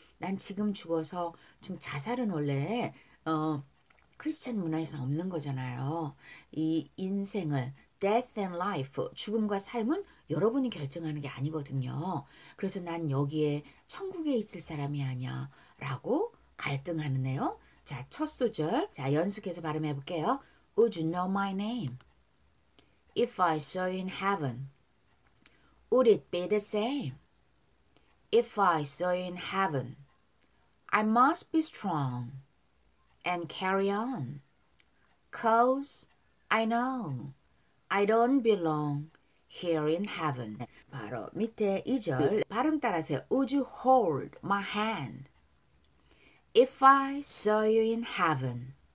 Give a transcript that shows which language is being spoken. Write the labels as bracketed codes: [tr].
[ko] 난 지금 죽어서 지금 자살은 원래 크리스천 문화에서는 없는 거잖아요. 이 인생을 [en] death and life, [ko] 죽음과 삶은 여러분이 결정하는 게 아니거든요. 그래서 난 여기에 천국에 있을 사람이 아니야라고 갈등하는데요. 자, 첫 소절. 자, 연속해서 발음해 볼게요. [en] Would you know my name if I saw you in heaven? Would it be the same if I saw you in heaven? I must be strong and carry on, 'cause I know I don't belong here in heaven. [ko] 바로 밑에 2절 발음 따라하세요. [en] Would you hold my hand if I saw you in heaven?